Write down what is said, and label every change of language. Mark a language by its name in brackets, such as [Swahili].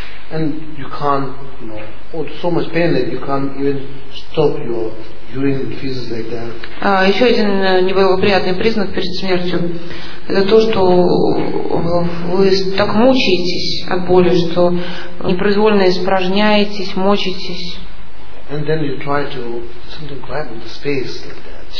[English] And you can't, so much pain that you can't even stop your urine increases like that. [Russian] Еще один неблагоприятный признак перед смертью это то, что вы так мучаетесь от боли, что непроизвольно испражняетесь, мучаетесь. [English] And then you try to something grab in the space like that.